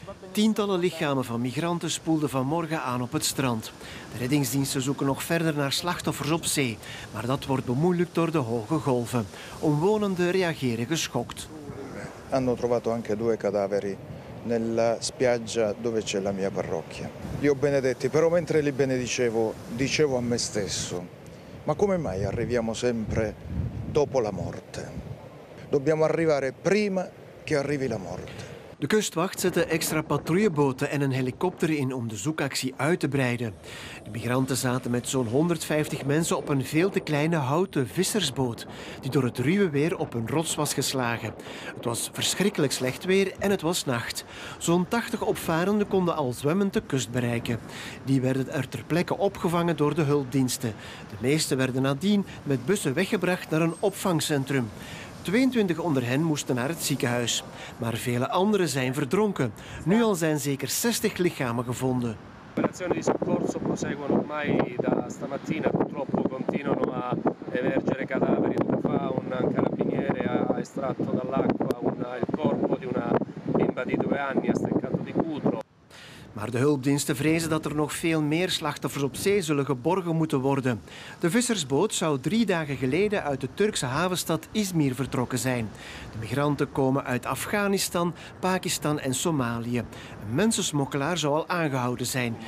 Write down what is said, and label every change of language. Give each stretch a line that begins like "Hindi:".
Dutch: Tientallen lichamen van migranten spoelden vanmorgen aan op het strand. De reddingsdiensten zoeken nog verder naar slachtoffers op zee. Maar dat wordt bemoeilijkt door de hoge golven. Omwonenden reageren geschokt. Ze hebben ook twee
Italian: cadaveri. Nella spiaggia dove c'è la mia parrocchia. Li ho benedetti, però mentre li benedicevo, dicevo a me stesso: ma come mai arriviamo sempre dopo la morte? Dobbiamo arrivare prima che arrivi la morte.
Dutch: De kustwacht zette extra patrouilleboten en een helikopter in om de zoekactie uit te breiden. De migranten zaten met zo'n 150 mensen op een veel te kleine houten vissersboot die door het ruwe weer op een rots was geslagen. Het was verschrikkelijk slecht weer en het was nacht. Zo'n 80 opvarenden konden al zwemmend de kust bereiken. Die werden er ter plekke opgevangen door de hulpdiensten. De meeste werden nadien met bussen weggebracht naar een opvangcentrum. 22 onder hen moesten naar het ziekenhuis. Maar vele anderen zijn verdronken. Nu al zijn zeker 60 lichamen gevonden.
Italian: De operazioni di soccorso proseguen ormai da stamattina. Purtroppo continuano a emergere cadaveri. Poco fa un carabiniere ha estratto dall'acqua il corpo di una bimba di 2 anni a Steccato di Cutro.
Dutch: Maar de hulpdiensten vrezen dat er nog veel meer slachtoffers op zee zullen geborgen moeten worden. De vissersboot zou 3 dagen geleden uit de Turkse havenstad Izmir vertrokken zijn. De migranten komen uit Afghanistan, Pakistan en Somalië. Een mensensmokkelaar zou al aangehouden zijn.